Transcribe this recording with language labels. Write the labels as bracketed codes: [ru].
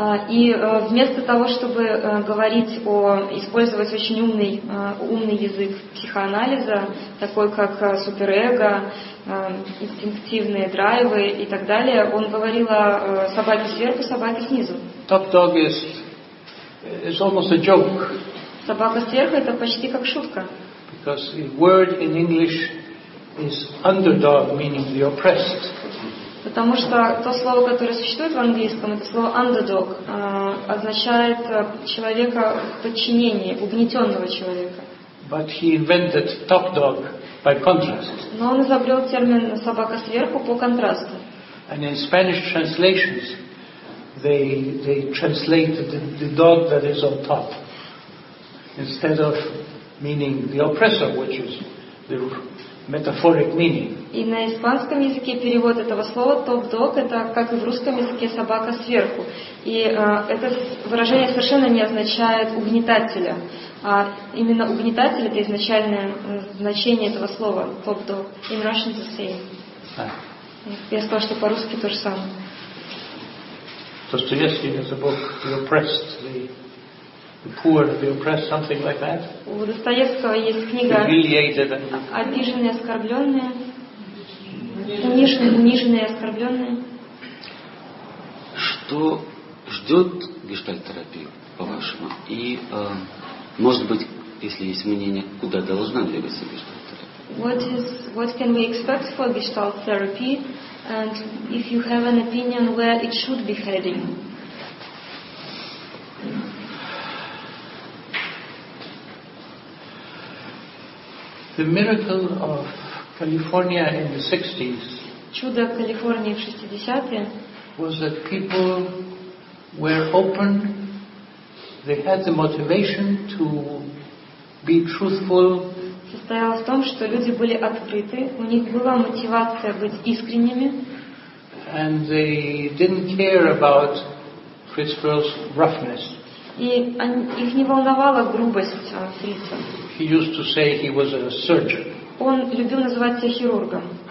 [ru] И вместо того, чтобы говорить о использовать очень умный язык психоанализа, такой как суперэго, инстинктивные драйвы и так далее, он говорил о собаке сверху, собаке снизу. [en] Top dog is almost a joke. [ru] Собака сверху — это почти как шутка. [en] Because the word in English is underdog, meaning the oppressed. [ru] Потому что то слово, которое существует в английском, это слово underdog, означает человека в подчинении, угнетенного человека. [en] But he invented top dog by contrast. [ru] Но он изобрел термин собака сверху по контрасту. [en] And in Spanish translations, they translate the dog that is on top instead of meaning the oppressor, which is the metaphoric meaning. [ru] И на испанском языке перевод этого слова top dog это как и в русском языке собака сверху. И это выражение совершенно не означает угнетателя. А именно угнетатель это изначальное значение этого слова top dog. [en] In Russian the same. [ru] Я сказала, что по-русски то же самое. [en] Достоевский in the book the oppressed, the poor, the oppressed, something like that. [ru] У Достоевского есть книга обиженные, оскорбленные. Униженные, оскорбленные. Что ждет гештальт-терапию, по-вашему? И, может быть, если есть мнение, куда должна двигаться гештальт-терапия? [en] What can we expect for gestalt therapy? And if you have an opinion, where it should be heading? The miracle of California in the 60s. [ru] Чудо Калифорнии в 60-е. [en] Was that people were open, they had the motivation to be truthful, [ru] состояла в том, что люди были открыты, у них была мотивация быть искренними. [en] And they didn't care about Fritz Perls' roughness. [ru] И их не волновала грубость Фрица. [en] He used to say he was a surgeon. [ru] Он любил называть себя хирургом.